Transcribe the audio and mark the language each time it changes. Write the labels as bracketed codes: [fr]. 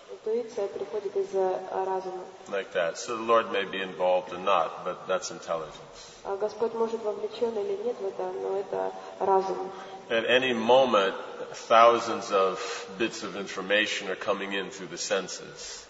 [ru] Интуиция приходит из разума. [en] Like that. So the Lord may be involved or not, but that's intelligence. [ru] Господь может вовлечен или нет в это, но это разум. [en] At any moment, thousands of bits of information are coming in through the senses.